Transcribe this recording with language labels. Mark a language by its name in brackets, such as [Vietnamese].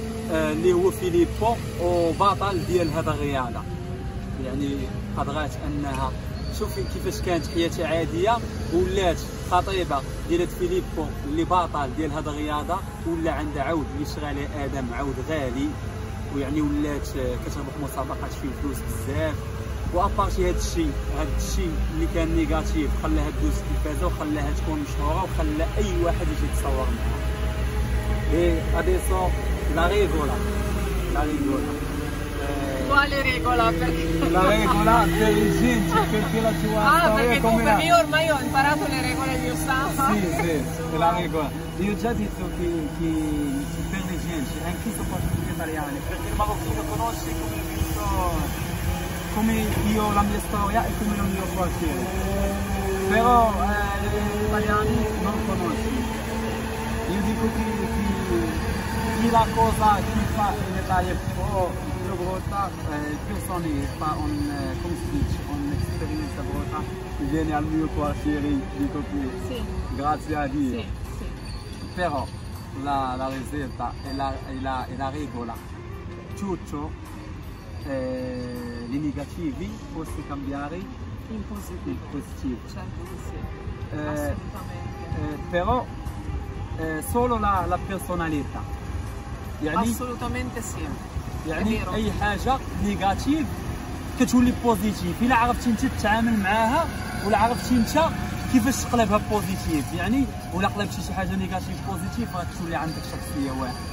[Arabic] اللي هو فيليبو وبطل ديال هذا الرياضة يعني قدرات انها شوفي كيفاش كانت حياتها عادية ولات خطيبة ديال فيليبو اللي بطل ديال هذا الرياضة ولا عنده عود يشغل ادم عود غالي ويعني ولات كتربح مسابقات فيه فلوس بزاف وابارتي هاد الشيء اللي كان نيجاتيف خلاها تدوز التلفازة وخلاها تكون مشهورة وخلى اي واحد يجي يتصور معها [Italian] Et adesso la regola per il ginger perché la tua perché comunque io ormai ho imparato le regole di Osama. Sì, la regola. Io ho già detto che si perde il ginger, anche se posso dire italiano, perché il marocchino conosce come io la mia storia e come il mio quartiere. Però gli italiani non lo conosce. Io dico che la cosa che fa in Italia più brutta, più sono io, fa un, come si dice, un'esperienza brutta, viene al mio quartiere, dico che sì. Grazie a Dio. Sì, sì. Però la riserva e la regola, tutto, i negativi possono cambiare in positivo. In positivo. Certo, sì. Assolutamente. Però, solo la personalità يعني, assolutamente sì [Arabic] يعني اي حاجه نيجاتيف كتولي بوزيتيف الا عرفتي انت تتعامل معاها ولا عرفتي انت كيفاش تقلبها بوزيتيف يعني ولا قلبتي شي حاجه نيجاتيف بوزيتيف غتولي عندك شخصيه واحده